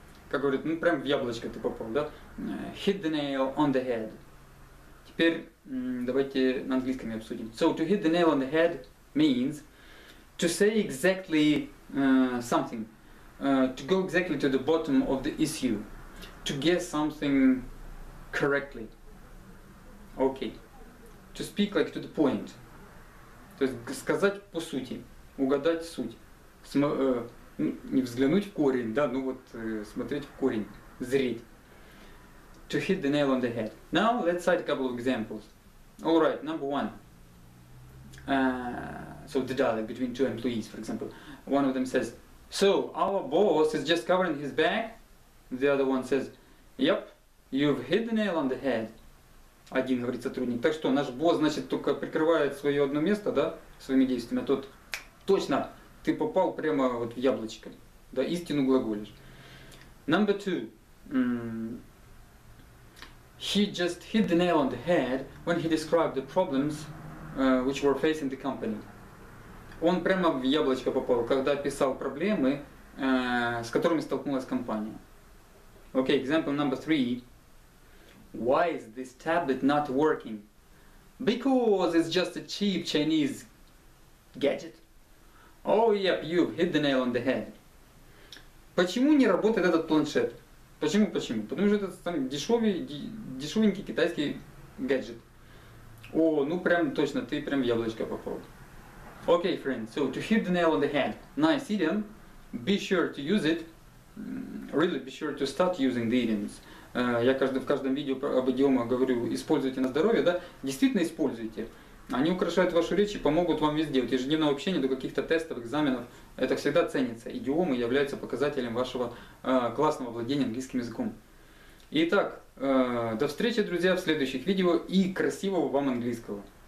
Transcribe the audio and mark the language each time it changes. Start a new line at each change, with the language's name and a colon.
Russian: Как говорят, ну прям в яблочко ты попал, да?
English: Hit the nail on the head.
Russian: Теперь давайте на английском обсудим.
English: So, to hit the nail on the head means to say exactly something. To go exactly to the bottom of the issue. To guess something correctly. Окей. Okay. To speak like to the point.
Russian: То есть сказать по сути, угадать суть. Не взглянуть в корень, да, ну вот смотреть в корень, зреть.
English: To hit the nail on the head. Now let's cite a couple of examples. Alright, number one. So the dialogue between two employees, for example. One of them says, so our boss is just covering his back. The other one says, yep, you've hit the nail on the head.
Russian: Один говорит сотрудник. Так что наш босс, значит, только прикрывает свое одно место, да, своими действиями. А тот, точно, ты попал прямо вот в яблочко. Да, истину глаголишь.
English: Number two. He just hit the nail on the head when he described the problems which were facing the company.
Russian: Он прямо в яблочко попал, когда описал проблемы, с которыми столкнулась компания.
English: Okay, example number three. Why is this tablet not working? Because it's just a cheap Chinese gadget. Oh, yep, you've hit the nail on the head.
Russian: Почему не работает этот планшет? Почему, почему? Потому что это там дешевенький китайский гаджет. О, ну прям точно, ты прям в яблочко попал.
English: Okay, friend, so to hit the nail on the head. Nice idiom. Be sure to use it. Really, be sure to start using the idioms.
Russian: Я в каждом видео об идиомах говорю, используйте на здоровье, да? Действительно используйте. Они украшают вашу речь и помогут вам везде. От ежедневного общения до каких-то тестов, экзаменов. Это всегда ценится. Идиомы являются показателем вашего классного владения английским языком. Итак, до встречи, друзья, в следующих видео и красивого вам английского.